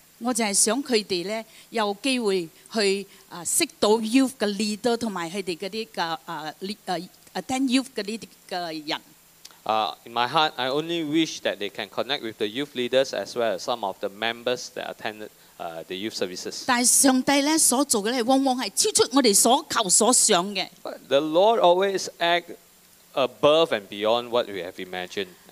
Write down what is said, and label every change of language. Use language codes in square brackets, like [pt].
[yue] 我就係想佢哋咧有機會去識到 youth 嘅 leader 同埋佢哋嗰啲嘅 [en] attend youth [yue] 嘅呢啲嘅人。 [en] In my heart, I only wish that they can connect with the youth leaders as well as some of the members that attended the youth services. [yue] 但係上帝咧所做嘅咧，往往係超出我哋所求所想嘅。 [en] The Lord always acts above and beyond what we have imagined.